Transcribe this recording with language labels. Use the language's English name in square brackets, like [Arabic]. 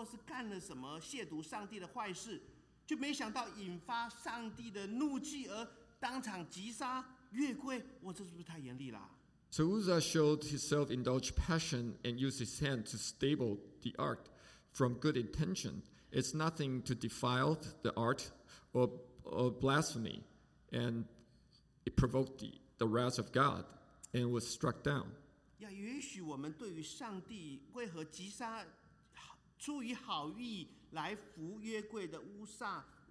[Chinese] 那这时候乌撒自作聪明，自作多情，以为用手扶着这个约柜是一个好意嘛，哈。不过我们在想说，约这个乌撒呢，他也不是做了什么玷污约柜的举动，或是干了什么亵渎上帝的坏事。就没想到引发上帝的怒气而当场击杀月桂，哇，这是不是太严厉了？So [English] Uzzah showed his self-indulged passion and used his hand to stable the ark from good intention. It's nothing to defile the ark or blasphemy, and it provoked the wrath of God and was struck down. [Chinese] 呀，也许我们对于上帝为何击杀出于好意来扶月桂的乌撒。